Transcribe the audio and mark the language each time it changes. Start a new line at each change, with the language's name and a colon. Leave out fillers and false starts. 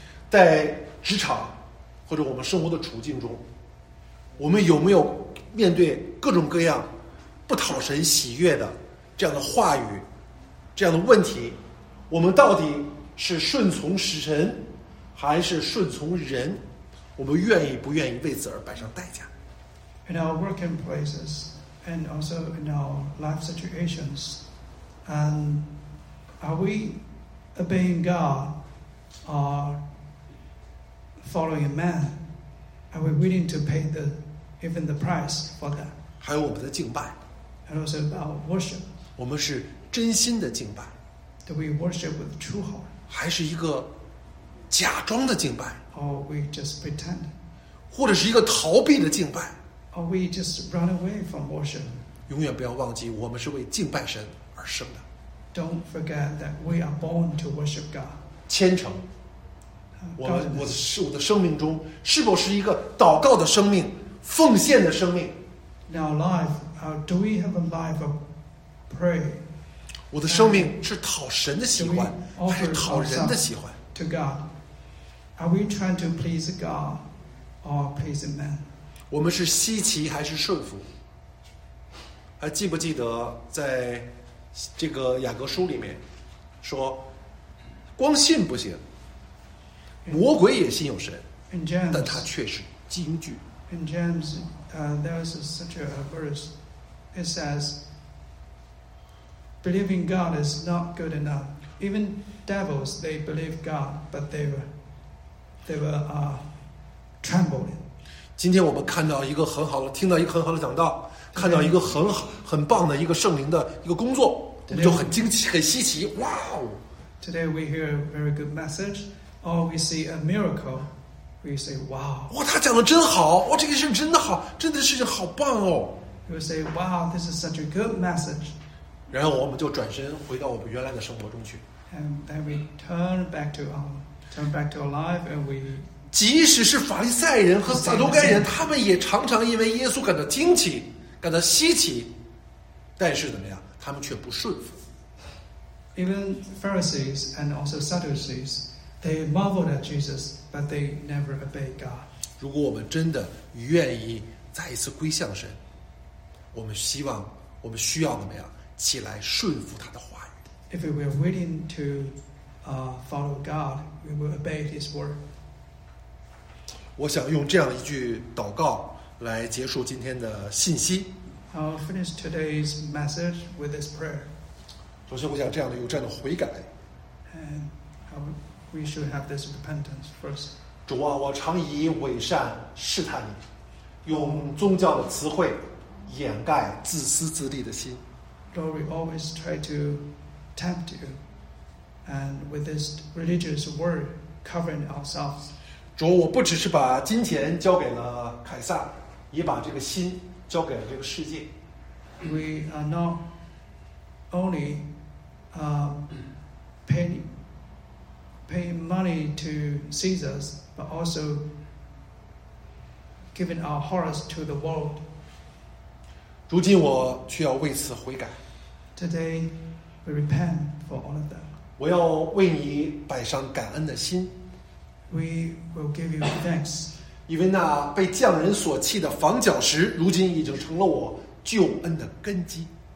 Chinese: 在职场或者我们生活的处境中，我们有没有面对各种各样不讨神喜悦的这样的话语、这样的问题？我们到底是顺从神，还是顺从人？我们愿意不愿意为此而摆上代价？
English: In our working places, and also in our life situations, and are we obeying God or following man? Are we willing to pay the price for that?
Chinese: 还有我们的敬拜
English: and also our worship.
Chinese: 我们是真心的敬拜
English: Do we worship with true heart?
Chinese: 还是一个假装的敬拜
English: or we just pretend?
Chinese: 或者是一个逃避的敬拜。
English: Or we just run away from worship.
Chinese: 永远不要忘记，我们是为敬拜神而生的。
English: Don't forget that we are born to worship God.
Chinese: 虔诚。我的生命中是否是一个祷告的生命，奉献的生命？
English: In our life, do we have a life of prayer?
Chinese: 我的生命是讨神的喜欢，还是讨人的喜欢？
English: To God, are we trying to please God or please man?
Chinese: 我们是稀奇还是顺服？还记不记得在这个雅各书里面说，光信不行。魔鬼也心有神，
English: in James,
Chinese: 但他却是惊惧。
English: In James, there is such a verse. It says, "Believing God is not good enough. Even devils they believe God, but they were trembling."
Chinese: 今天我们看到一个很好的，听到一个很好的讲道，看到一个很好、很棒的一个圣灵的一个工作，我们就很惊奇、很稀奇。哇哦
English: ！Today we hear a very good message. Or we see a miracle, we say, "Wow!"
Chinese: 哇，他讲的真好！哇，这个事真的好，真的事情好棒哦
English: ！We say, "Wow, this is such a good message."
Chinese: 然后我们就转身回到我们原来的生活中去。
English: And then we turn back to our life, and we.
Chinese: 即使是法利赛人和撒都该人，他们也常常因为耶稣感到惊奇，感到稀奇，但是怎么样？他们却不顺服。
English: Even Pharisees and also Sadducees. They marveled at Jesus, but they never obeyed God.
Chinese: 如果我们真的愿意再一次归向神，我们希望，我们需要怎么样起来顺服他的话语。
English: If we are willing to follow God, we will obey His word.
Chinese: 我想用这样一句祷告来结束今天的信息。
English: I'll finish today's message with this prayer.
Chinese: 首先，我想这样的有这样的悔改。
English: And We should have this repentance first.
Chinese: 主啊，我常以伪善试探你，用宗教的词汇掩盖自私自利的心。
English: Lord, we always try to tempt you, and with this religious word covering ourselves.
Chinese: 主，我不只是把金钱交给了凯撒，也把这个心交给了这个世界。
English: We are not only paying money to Caesar's, but also giving our hearts to the world.
Chinese: 如今我却要为此悔改。
English: Today, we repent for all of that.
Chinese: 我要为你摆上感恩的心。
English: We will give you thanks.
Chinese: 因为那被匠人所弃的房角石，如今已经成了我救恩的根基。